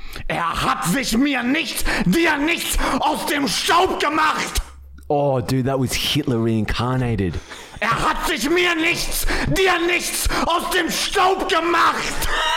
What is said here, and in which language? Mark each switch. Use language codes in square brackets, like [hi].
[de] Hat sich mir nicht, dir nicht aus dem Staub gemacht. [en] Oh, dude, that was Hitler reincarnated. [de] Hat sich mir nichts, dir nichts aus dem Staub gemacht.